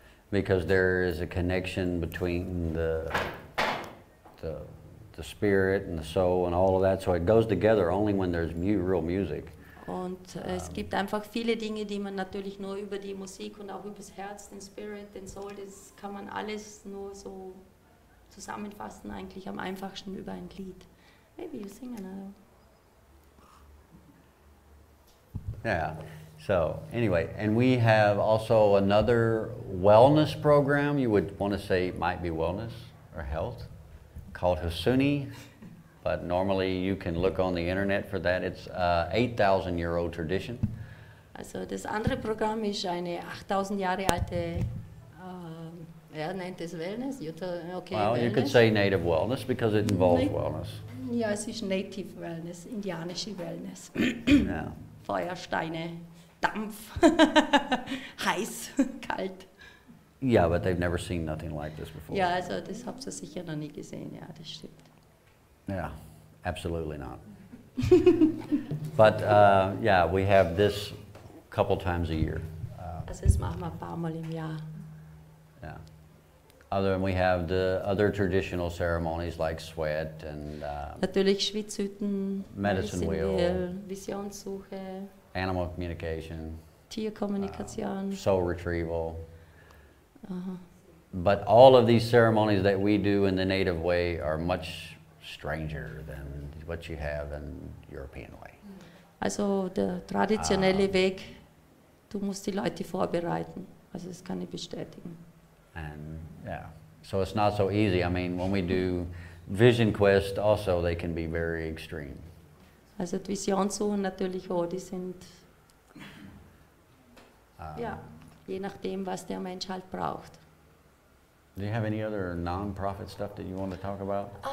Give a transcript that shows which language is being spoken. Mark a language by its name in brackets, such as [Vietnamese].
[English] Because there is a connection between the spirit and the soul and all of that, so it goes together only when there's real music. [German] Und es gibt einfach viele Dinge, die man natürlich nur über die Musik und auch über das Herz, den Spirit, den Soul, das kann man alles nur so zusammenfassen, eigentlich am einfachsten über ein Lied. [English] Maybe you sing another. Yeah. So anyway, and we have also another wellness program. You would want to say it might be wellness or health, called Hussuni, but normally you can look on the internet for that. It's a 8,000-year-old tradition. [German] Also, das andere Programm ist eine 8,000 Jahre alte. Nennt es Wellness. Okay. [English] Well, wellness. You could say native wellness because it involves wellness. [German] Ja, es ist Native Wellness, indianische Wellness. [English] Yeah. [German] Feuersteine, Dampf, heiß, kalt. [English] Yeah, but they've never seen nothing like this before. [German] Ja, also das habt ihr sicher noch nie gesehen, ja, das stimmt. [English] Yeah, absolutely not. But yeah, we have this couple times a year. [German] Also das machen wir ein paar Mal im Jahr. [English] Yeah. Other than we have the other traditional ceremonies like sweat and [German] natürlich Schwitzhütten, [English] medicine wheel, [German] Visionssuche, [English] animal communication, [German] Tierkommunikation, [English] soul retrieval. But all of these ceremonies that we do in the native way are much stranger than what you have in European way. [German] Also der traditionelle Weg, du musst die Leute vorbereiten. Also das kann ich bestätigen. [English] And yeah, so it's not so easy. I mean, when we do vision quest also, they can be very extreme. [German] Also die Visionssuche natürlich auch, die sind, ja, je nachdem, was der Mensch halt braucht. [English] Do you have any other non-profit stuff that you want to talk about?